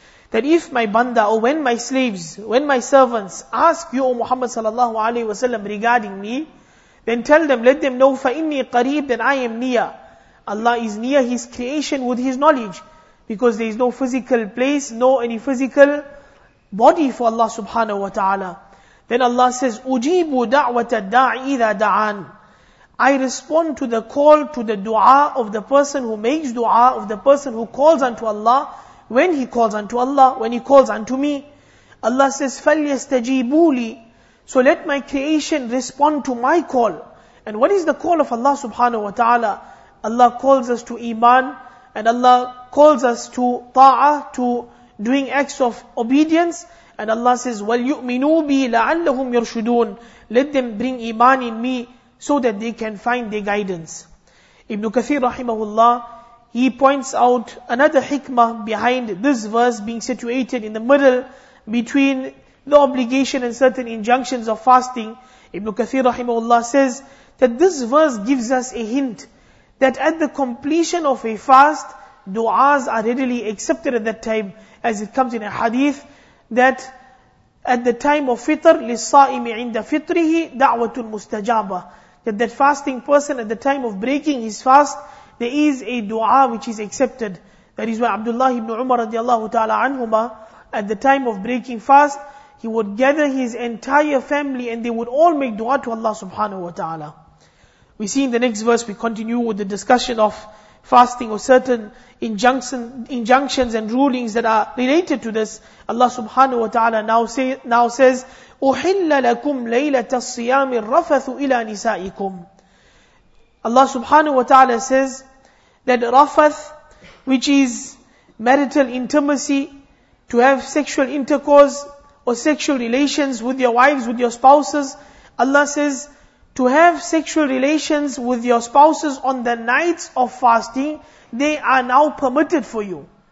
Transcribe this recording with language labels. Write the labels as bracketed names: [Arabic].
[English] That if my banda, or when my slaves, when my servants ask you, O Muhammad sallallahu alayhi wa sallam, regarding me, then tell them, let them know, [Arabic] فَإِنِّي قَرِيبٌ, [English] that I am near. Allah is near His creation with His knowledge, because there is no physical place, no any physical body for Allah subhanahu wa ta'ala. Then Allah says, [Arabic] أُجِيبُ دَعْوَةَ الدَّاعِ إِذَا دَعَانِ. [English] I respond to the call, to the dua of the person who makes dua, of the person who calls unto Allah, when he calls unto Allah, when he calls unto me. Allah says, [Arabic] فَلْيَسْتَجِيبُوا لِي. [English] So let my creation respond to my call. And what is the call of Allah subhanahu wa ta'ala? Allah calls us to iman, and Allah calls us to ta'ah, to doing acts of obedience. And Allah says, [Arabic] وَلْيُؤْمِنُوا بِي لَعَلَّهُمْ يَرْشُدُونَ. [English] Let them bring iman in me, so that they can find their guidance. Ibn Kathir rahimahullah, he points out another hikmah behind this verse being situated in the middle between the obligation and certain injunctions of fasting. Ibn Kathir rahimahullah says that this verse gives us a hint that at the completion of a fast, du'as are readily accepted at that time, as it comes in a hadith, that at the time of fitr, [Arabic] لِلصَّائِمِ عِنْدَ فِطْرِهِ دَعْوَةٌ مُسْتَجَابَةٌ. [English] That fasting person at the time of breaking his fast, there is a du'a which is accepted. That is why Abdullah ibn Umar radiallahu ta'ala anhuma, at the time of breaking fast, he would gather his entire family and they would all make du'a to Allah subhanahu wa ta'ala. We see in the next verse, we continue with the discussion of fasting or certain injunctions and rulings that are related to this. Allah subhanahu wa ta'ala now says, [Arabic] أُحِلَّ لَكُمْ لَيْلَةَ الصِّيَامِ الرَّفَثُ إِلَى نِسَائِكُمْ. [English] Allah subhanahu wa ta'ala says that rafath, which is marital intimacy, to have sexual intercourse or sexual relations with your wives, with your spouses, Allah says, to have sexual relations with your spouses on the nights of fasting, they are now permitted for you.